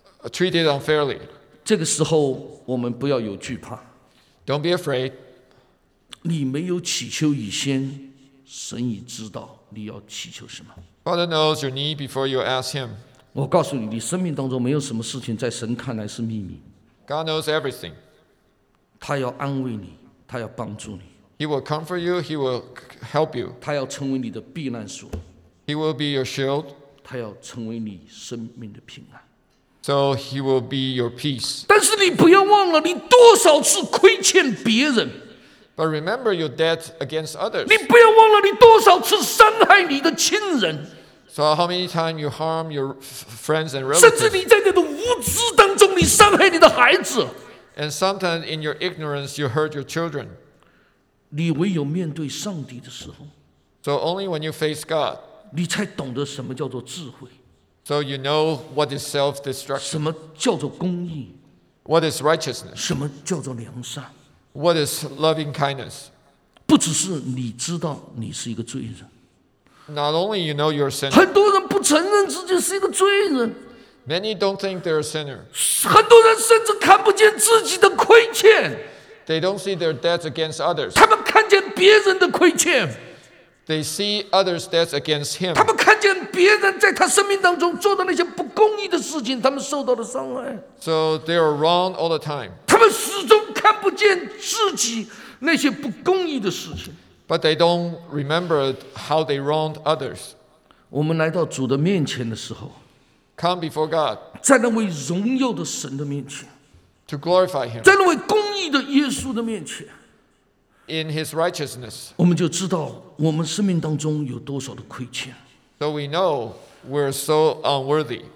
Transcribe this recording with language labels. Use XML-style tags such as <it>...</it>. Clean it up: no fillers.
<en>Treated unfairly.</en> <zh>这个时候我们不要有惧怕。</zh> <en>Don't be afraid.</en> <zh>你没有祈求以先，神已知道你要祈求什么。</zh> <en>Father knows your need before you ask him.</en> <zh>我告诉你，你生命当中没有什么事情在神看来是秘密。</zh> <en>God knows everything.</en> <zh>他要安慰你，他要帮助你。</zh> <en>He will comfort you. He will help you.</en> <zh>他要成为你的避难所。</zh> <en>He will be your shield.</en> <zh>他要成为你生命的平安。</zh> <en>So he will be your peace.</en> <zh>但是你不要忘了，你多少次亏欠别人。</zh> <en>But remember your debt against others.</en> <zh>你不要忘了，你多少次伤害你的亲人。</zh> <en>So how many times you harm your friends and relatives?</en> <zh>甚至你在你的无知当中，你伤害你的孩子。</zh> <en>And sometimes in your ignorance, you hurt your children.</en> <zh>你唯有面对上帝的时候</zh> <en>，So only when you face God,</en> <zh>你才懂得什么叫做智慧。</zh> <en>So you know what is self-destruction.</en> <zh>什么叫做公义</zh> <en>？What is righteousness?</en> <zh>什么叫做良善</zh> <en>？What is loving kindness?</en> <zh>不只是你知道你是一个罪人。</zh> <en>Not only you know you're a sinner.</en> <zh>很多人不承认自己是一个罪人。</zh> <en>Many don't think they're a sinner.</en> <zh>很多人甚至看不见自己的亏欠。</zh> <en>They don't see their debts against others.</en> <zh>他们看见别人的亏欠。</zh> <en>They see others' debts against him.</en> <zh>他们看见别人在他生命当中做的那些不公义的事情，他们受到的伤害。</zh> <en>So they are wrong all the time.</en> <zh>他们始终看不见自己那些不公义的事情。</zh> <en>But they don't remember how they wronged others.</en> <zh>我们来到主的面前的时候</zh> <en>，Come before God.</en> <zh>在那位荣耀的神的面前</zh> <en>，To glorify Him.</en> <zh>在那位公义的耶稣的面前</zh> <en>，In His righteousness.</en> <zh>我们就知道我们生命当中有多少的亏欠。</zh> <en>So we know we're so unworthy.</en>